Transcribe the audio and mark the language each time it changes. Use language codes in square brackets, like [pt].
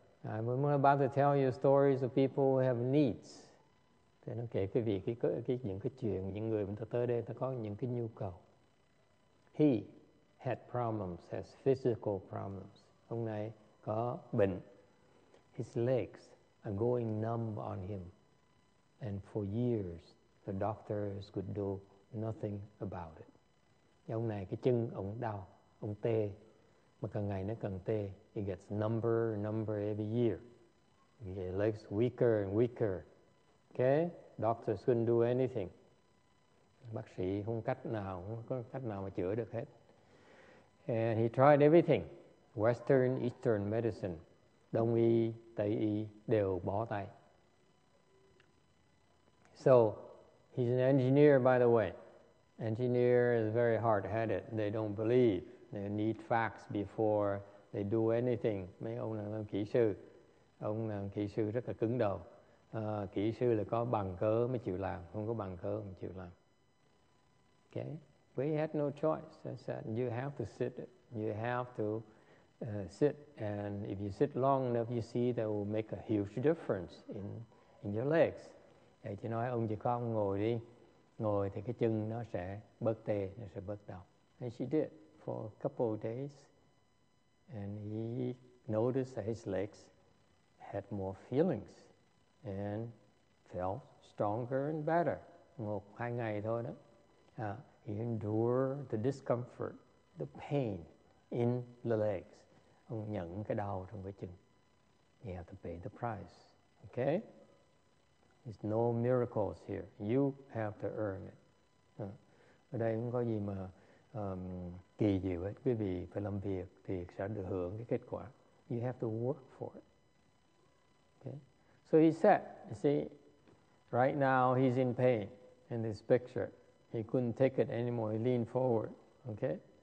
[en] I'm about to tell you stories of people who have needs. [vi] Thế nó kể quý vị cái những cái chuyện những người mà tới đây ta có những cái nhu cầu. [en] He had problems, has physical problems. [vi] Ông này có bệnh. [en] His legs are going numb on him. And for years, the doctors could do nothing about it. [vi] Ông này cái chân ông đau, ông tê. Mà càng ngày nó càng tê. [en] It gets number every year. Your legs weaker and weaker. Okay? Doctors couldn't do anything. [vi] Bác sĩ không cách nào, không có cách nào mà chữa được hết. [en] And he tried everything. Western, Eastern medicine. [vi] Đông y, Tây y đều bó tay. [en] So, he's an engineer, by the way. Engineer is very hard-headed. They don't believe. They need facts before they do anything. [vi] Mấy ông là kỹ sư. Ông là kỹ sư rất là cứng đầu. Kỹ sư là có bằng cơ mới chịu làm. Không có bằng cơ mới chịu làm. [en] Okay? We had no choice. I said, you have to sit. You have to sit. And if you sit long enough, you see that will make a huge difference in your legs. [vi] Thầy chỉ nói, ông chỉ có ông ngồi đi. Ngồi thì cái chân nó sẽ bớt tê, nó sẽ bớt đau. [en] And she did for a couple of days. And he noticed that his legs had more feelings and felt stronger and better. [vi] Một hai ngày thôi đó. [en] He endured the discomfort, the pain in the legs. [vi] Ông nhận cái đau trong cái chân. [en] He had to pay the price. Okay? There's no miracles here. You have to earn it. [vi] Ở đây không có gì mà kỳ diệu hết. Quý vị phải làm việc thì sẽ được hưởng cái kết quả. [en] You have to work for it. Okay. So he said, you see, right now he's in pain in this picture. He couldn't take it anymore. He leaned forward. Okay.